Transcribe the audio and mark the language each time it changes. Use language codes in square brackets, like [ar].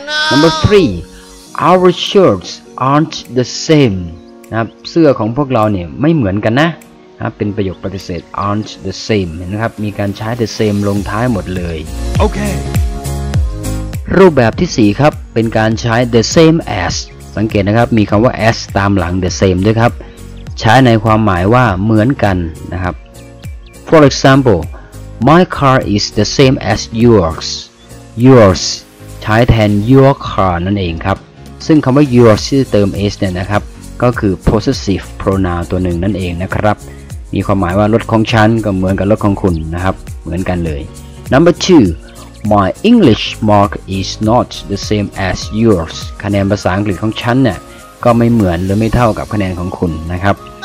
[en] number 3 our shirts aren't the same [th] นะครับเสื้อของพวกเราเนี่ยไม่เหมือนกันนะเป็นประโยคปฏิเสธ aren't the same นะครับมีการใช้ the same ลงท้ายหมดเลย โอเครูปแบบที่4ครับเป็นการใช้ the same as สังเกตนะครับมีคำว่า as ตามหลัง the same ด้วยครับใช้ในความหมายว่าเหมือนกันนะครับ for example [en] My car is the same as yours. [th] Yours ใช้แทน your car นั่นเองครับซึ่งคำว่า yours ที่เติม s เนี่ยนะครับก็คือ possessive pronoun ตัวหนึ่งนั่นเองนะครับมีความหมายว่ารถของฉันก็เหมือนกับรถของคุณนะครับเหมือนกันเลย Number 2 [en] My English mark is not the same as yours [th] คะแนนภาษาอังกฤษของฉันเนี่ยก็ไม่เหมือนหรือไม่เท่ากับคะแนนของคุณนะครับ